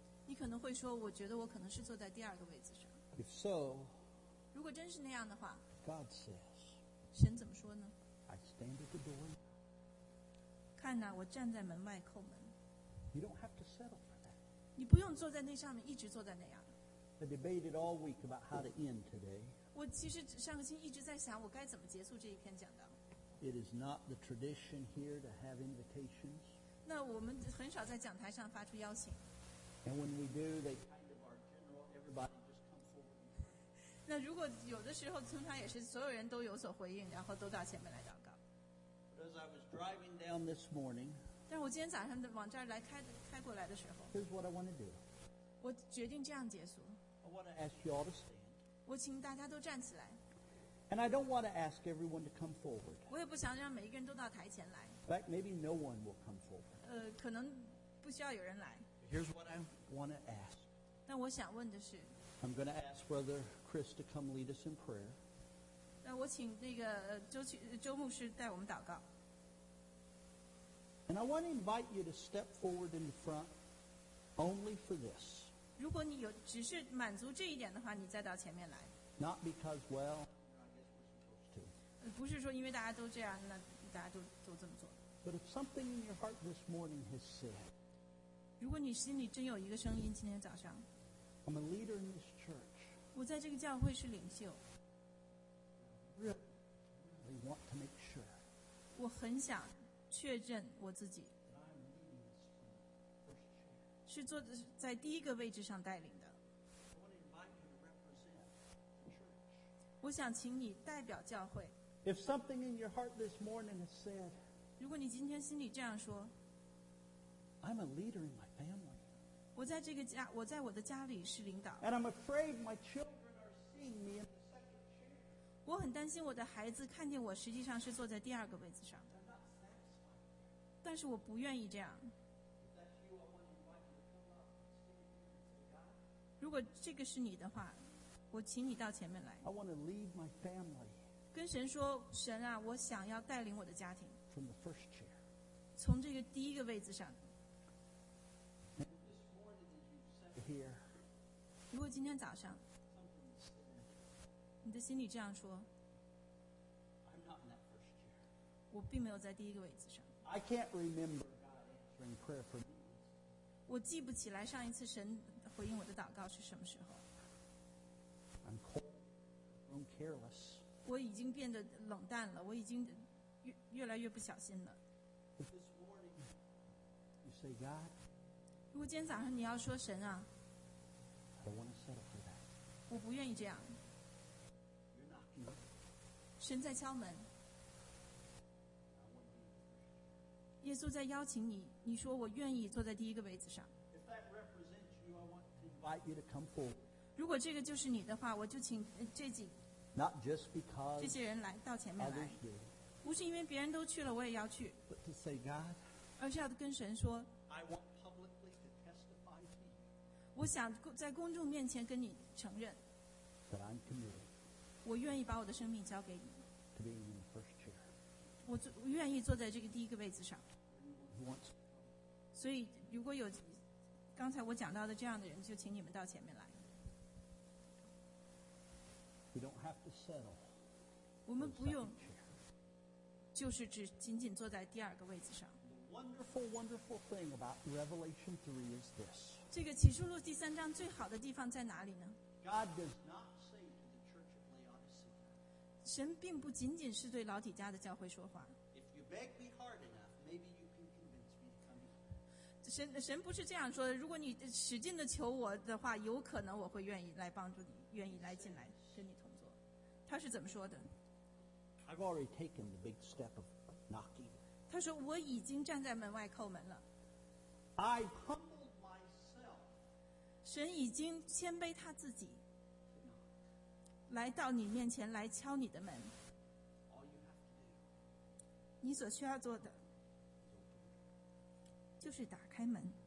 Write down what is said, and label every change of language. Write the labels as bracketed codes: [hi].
[zh] 你可能会说，我觉得我可能是坐在第二个位置上。 [en] If so, [zh] 如果真是那样的话, [en] God says, [zh] 神怎么说呢? [en] I stand at the door. [zh] 看哪, 我站在门外叩门。 [en] You don't have to settle for that. [zh] 你不用坐在那上面, 一直坐在那样。 [en] I debated all week about how to end today. [zh] 我其实上个星期一直在想, 我该怎么结束这一篇讲道。 [en] It is not the tradition here to have invitations. [zh] 那我们很少在讲台上发出邀请。 [en] And when we do, they kind of are general, everybody just come forward. [zh] 那如果有的时候通常也是所有人都有所回应，然后都到前面来祷告。 [en] But as I was driving down this morning, [zh] 但我今天早上往这儿来开过来的时候， [en] here's what I want to do. [zh] 我决定这样结束。 [en] I want to ask you all to stand. [zh] 我请大家都站起来。 [en] And I don't want to ask everyone to come forward. [zh] 我也不想让每一个人都到台前来。 [en] In fact, maybe no one will come forward. [zh] 可能不需要有人来。 [en] Here's what I want to ask. [zh] 那我想问的是， [en] I'm going to ask Brother Chris to come lead us in prayer. [zh] 那我请那个周牧师带我们祷告。 [en] And I want to invite you to step forward in the front only for this. [zh] 如果你有只是满足这一点的话，你再到前面来。 [en] Not because, well, [zh] 不是说因为大家都这样，那大家都这么做。 [en] But if something in your heart this morning has said, [zh] 如果你心里真有一个声音，今天早上， [en] I'm a leader in this church. [zh] 我在这个教会是领袖。 [en] Really want to make sure. [zh] 我很想确认我自己是坐在第一个位置上带领的。我想请你代表教会。 [en] If something in your heart this morning has said, [zh] 如果你今天心里这样说， [en] I'm a leader in my family. [zh] 我在这个家，我在我的家里是领导。 [en] And I'm afraid my children are seeing me in the second chair. [zh] 我很担心我的孩子看见我实际上是坐在第二个位置上的。 [en] I'm not satisfied. [zh] 但是我不愿意这样。 [en] If that's you, I want to invite you to come up and stand here to God. [zh] 如果这个是你的话，我请你到前面来。 [en] I want to lead my family. [zh] 跟神说，神啊，我想要带领我的家庭。 [en] From the first chair. [zh] 从这个第一个位置上。 [en] Here. [zh] 如果今天早上，你的心里这样说， [en] I'm not in that first chair. [zh] 我并没有在第一个位置上。 [en] I can't remember God answering prayer for me. [zh] 我记不起来上一次神回应我的祷告是什么时候。 [en] I'm cold, grown careless. [zh] 我已经变得冷淡了，我已经 越来越不小心了。 [en] You say, God, [zh] 如果今天早上你要说神啊， [en] I don't want to settle for that. [zh] 我不愿意这样。 [en] You're knocking. [zh] 神在敲门。 [en] I want to be the first. [zh] 耶稣在邀请你，你说我愿意坐在第一个位置上。 [en] If that represents you, I want to invite you to come forward. [zh] 如果这个就是你的话，我就请这几 [en] Not just because [zh] 这些人来到前面来，不是因为别人都去了，我也要去。 [en] But to say God, [zh] 而是要跟神说， [en] I want publicly to testify to you. [zh] 我想在公众面前跟你承认。 [en] That I'm committed. [zh] 我愿意把我的生命交给你。 [en] To be in the first chair. [zh] 我愿意坐在这个第一个位置上。 [en] You want to? [zh] 所以如果有刚才我讲到的这样的人，就请你们到前面来。 [en] We don't have to settle. [zh] 我们不用，就是只仅仅坐在第二个位置上。 [en] The wonderful, wonderful thing about Revelation 3 is this. [zh] 这个启示录第三章最好的地方在哪里呢？ [en] God does not say to the church of Laodicea. [zh] 神并不仅仅是对老底嘉的教会说话。 [en] If you beg me hard enough, maybe you can convince me to come here. [zh] 神不是这样说的。如果你使劲的求我的话，有可能我会愿意来帮助你，愿意来进来。跟你同坐，他是怎么说的？ [en] I've already taken the big step of knocking. [zh] 他说我已经站在门外叩门了。 [en] I humbled myself. [zh] 神已经谦卑他自己，来到你面前来敲你的门。 [en] All you have to do. [zh] 你所需要做的，就是打开门。